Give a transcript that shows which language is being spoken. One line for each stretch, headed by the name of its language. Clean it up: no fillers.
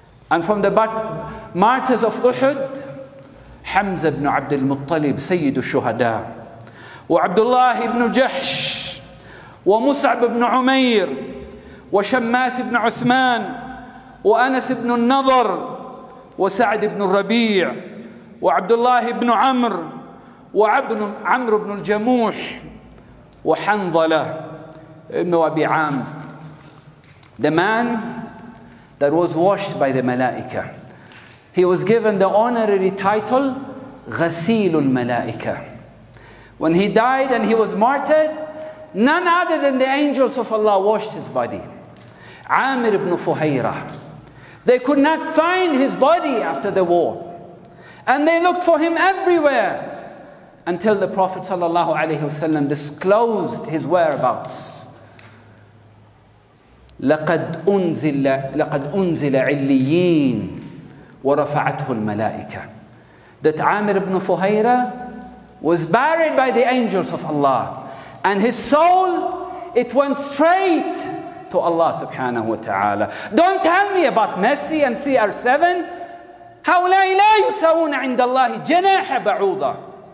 English: And from the martyrs of Uhud,
Arabic: حمزة بن عبد المطلب سيد الشهداء وعبد الله بن جحش ومصعب بن عمير وشماس بن عثمان وأنس بن النضر وسعد بن الربيع وعبد الله بن عمرو وعمرو بن الجموح وحنظلة ابن أبي عامر.
English: The man that was washed by the Malaika, he was given the honorary title
Arabic: غسيل الملائكة.
English: When he died and he was martyred, none other than the angels of Allah washed his body.
Arabic: عامر بن فهيرة.
English: They could not find his body after the war. And they looked for him everywhere until the Prophet sallallahu alayhi wasallam disclosed his whereabouts.
Arabic: لقد أنزل عليين ورفعته الملائكة.
English: That عامر بن فهيرة was buried by the angels of Allah. And his soul, it went straight to Allah subhanahu wa ta'ala. Don't tell me about Messi and CR7.
Arabic: هَوْلَيْ لَا يُسَوُونَ عِنْدَ اللَّهِ جَنَاحَ بَعُوضًا.